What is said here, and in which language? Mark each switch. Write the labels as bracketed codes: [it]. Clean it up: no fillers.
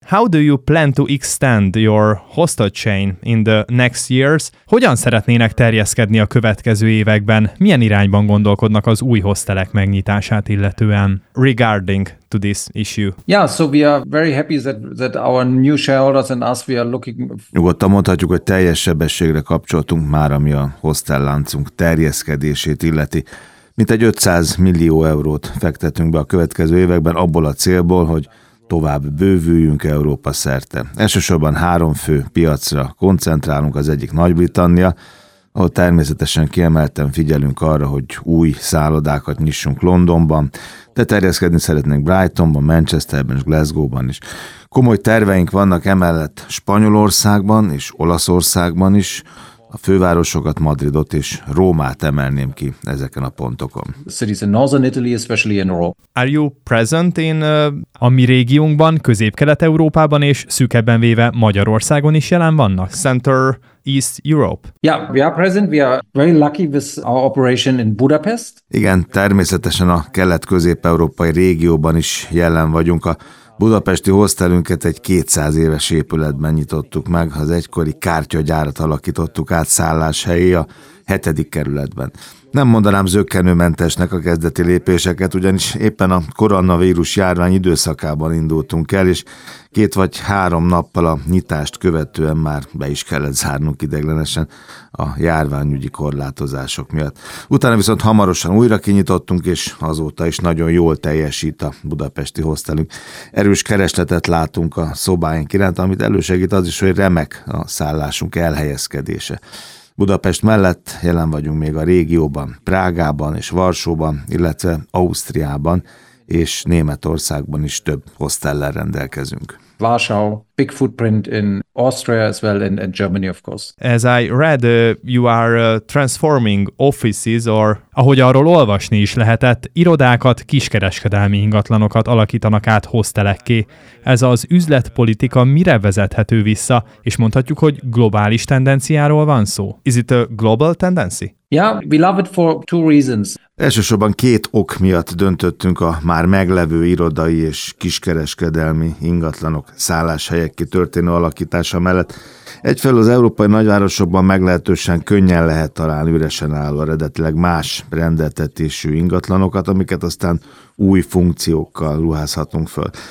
[en] How do you plan to extend your hostel chain in the next years? [hu] Hogyan szeretnének terjeszkedni a következő években? Milyen irányban gondolkodnak az új hostelek megnyitását illetően? [en] Regarding to this issue. Yeah, so we are very happy that our new shareholders and us, we are looking... [hu] Nyugodtan mondhatjuk, hogy teljes sebességre kapcsoltunk már, ami a hostel láncunk terjeszkedését illeti. Mintegy 500 millió eurót fektetünk be a következő években abból a célból, hogy tovább bővüljünk Európa szerte. Elsősorban három fő piacra koncentrálunk, az egyik Nagy-Britannia, ahol természetesen kiemelten figyelünk arra, hogy új szállodákat nyissunk Londonban, de terjeszkedni szeretnénk Brightonban, Manchesterben és Glasgowban is. Komoly terveink vannak emellett Spanyolországban és Olaszországban is, a fővárosokat, Madridot és Rómát emelném ki ezeken a pontokon. [en] Cities in northern Italy, especially in Rome. Are you present in a [hu] mi régiónkban, Közép-Kelet-Európában és szűkebben véve Magyarországon is jelen vannak? [en] Center East Europe. Yeah, we are present. We are very lucky with our operation in Budapest. [hu] Igen, természetesen a kelet-közép-európai régióban is jelen vagyunk. A budapesti hostelünket egy 200 éves épületben nyitottuk meg, az egykori kártyagyárat alakítottuk át szálláshelyé a 7. kerületben. Nem mondanám zökkenőmentesnek a kezdeti lépéseket, ugyanis éppen a koronavírus járvány időszakában indultunk el, és 2 vagy 3 nappal a nyitást követően már be is kellett zárnunk ideiglenesen a járványügyi korlátozások miatt. Utána viszont hamarosan újra kinyitottunk, és azóta is nagyon jól teljesít a budapesti hostelünk. Erős keresletet látunk a szobáink iránt, amit elősegít az is, hogy remek a szállásunk elhelyezkedése. Budapest mellett jelen vagyunk még a régióban, Prágában és Varsóban, illetve Ausztriában és Németországban is több hostellel rendelkezünk. [en] Warsaw, big footprint in Austria as well and Germany of course. As I read, you are transforming offices or, [hu] ahogy arról olvasni is lehetett, irodákat, kiskereskedelmi ingatlanokat alakítanak át hostelekké. Ez az üzletpolitika mire vezethető vissza, és mondhatjuk, hogy globális tendenciáról van szó? [en] Is it a global tendency? Yeah, we love it for two reasons. [hu] Elsősorban két ok miatt döntöttünk a már meglevő irodai és kiskereskedelmi ingatlanok szálláshelyek kitörténő alakítása mellett. Egyfelől az európai nagyvárosokban meglehetősen könnyen lehet találni üresen álló eredetileg más rendeltetésű ingatlanokat, amiket aztán új funkciókkal ruházhatunk föl.